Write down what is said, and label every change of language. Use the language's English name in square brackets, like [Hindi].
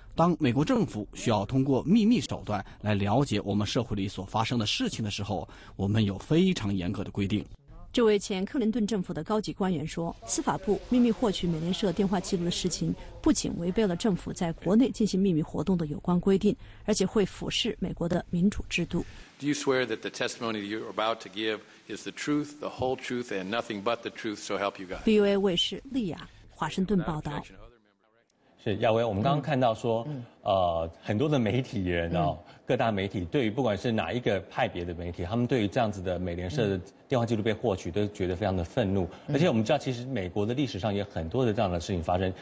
[Chinese] 当美国政府需要通过秘密手段来了解我们社会里所发生的事情的时候，我们有非常严格的规定。这位前克林顿政府的高级官员说，司法部秘密获取美联社电话记录的事情不仅违背了政府在国内进行秘密活动的有关规定，而且会腐蚀美国的民主制度。 [English] Do you swear that the testimony you are about to give is the truth, the whole truth, and nothing but the truth, so help you God? [Chinese] VOA 卫视利亚华盛顿报道。是亚威，我们刚刚看到说，很多的媒体人啊、各大媒体对于不管是哪一个派别的媒体，他们对于这样子的美联社的电话记录被获取，都觉得非常的愤怒。而且我们知道，其实美国的历史上也很多的这样的事情发生。